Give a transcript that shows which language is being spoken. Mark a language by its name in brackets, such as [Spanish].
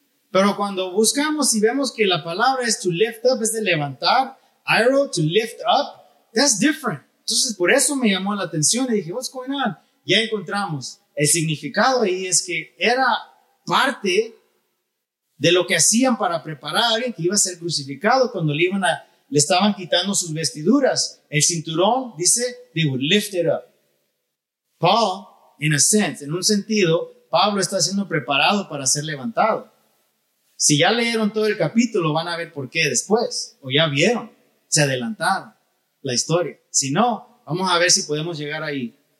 [Spanish] Pero cuando buscamos y vemos que la palabra es [English] to lift up, [Spanish] es de levantar, iro, [English] to lift up, that's different. [Spanish] Entonces por eso me llamó la atención y dije, [English] what's going on? [Spanish] Ya encontramos, el significado ahí es que era parte de lo que hacían para preparar a alguien que iba a ser crucificado cuando le iban a, le estaban quitando sus vestiduras. El cinturón, dice, [English] they would lift it up. [Spanish] Paul, [English] in a sense, [Spanish] en un sentido, Pablo está siendo preparado para ser levantado. Si ya leyeron todo el capítulo, van a ver por qué después. O ya vieron, se adelantaron la historia. Si no, vamos a ver si podemos llegar ahí.